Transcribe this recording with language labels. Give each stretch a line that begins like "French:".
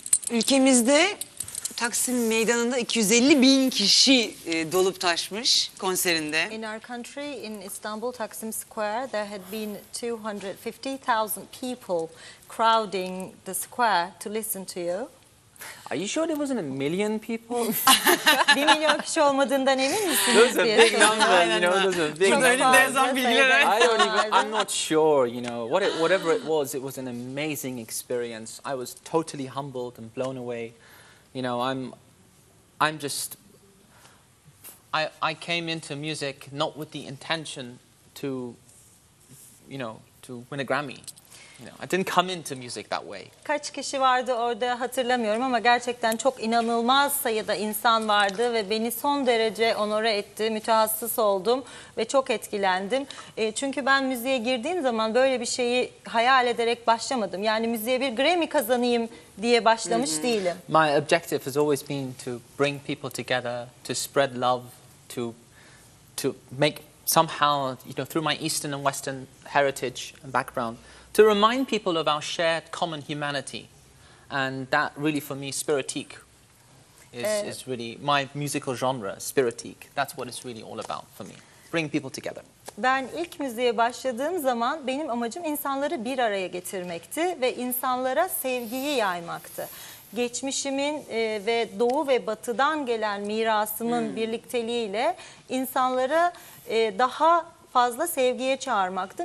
Turkish: Ülkemizde Taksim Meydanı'nda 250 bin kişi dolup taşmış konserinde.
English: In our country, in Istanbul, Taksim Square, there had been 250,000 people crowding the square to listen to you. Are you sure there wasn't a million people?
Turkish: 1 milyon kişi olmadığından emin misiniz?
English: Those are big numbers, I'm not sure, you know. Whatever it was an amazing experience. I was totally humbled and blown away. You know, I came into music not with the intention to, you know, to win a Grammy. No, I didn't come into music that way.
Turkish: Kaç kişi vardı orada hatırlamıyorum ama gerçekten çok inanılmaz sayıda insan vardı ve beni son derece onore etti, mütehassıs oldum ve çok etkilendim. Çünkü ben müziğe girdiğim zaman böyle bir şeyi hayal ederek başlamadım. Yani müziğe bir Grammy kazanayım diye başlamış değilim.
English: My objective has always been to bring people together, to spread love, to make somehow, you know, through my Eastern and Western heritage and background, to remind people of our shared common humanity, and that really for me spiritique is really my musical genre, spiritique. That's what it's really all about for me, bring people together.
Turkish: Ben ilk müziğe başladığım zaman benim amacım insanları bir araya getirmekti ve insanlara sevgiyi yaymaktı. Geçmişimin ve doğu ve batıdan gelen mirasımın birlikteliğiyle insanları daha fazla sevgiye çağırmaktı.